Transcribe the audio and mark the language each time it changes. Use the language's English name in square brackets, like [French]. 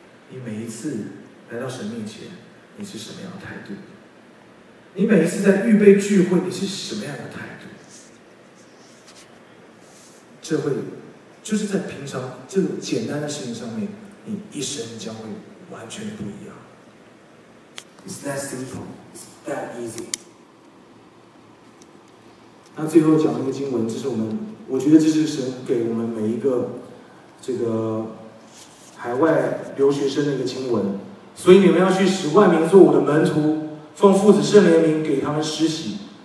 [Chinese] 你每一次来到神面前，你是什么样的态度？你每一次在预备聚会，你是什么样的态度？这会就是在平常这个简单的事情上面，你一生将会完全不一样。 [English] It's that simple, it's that easy. [Chinese] 那最后讲一个经文，这是我们，我觉得这是神给我们每一个这个海外留学生的一个经文。所以你们要去使万民做我的门徒，奉父子圣灵的名给他们施洗。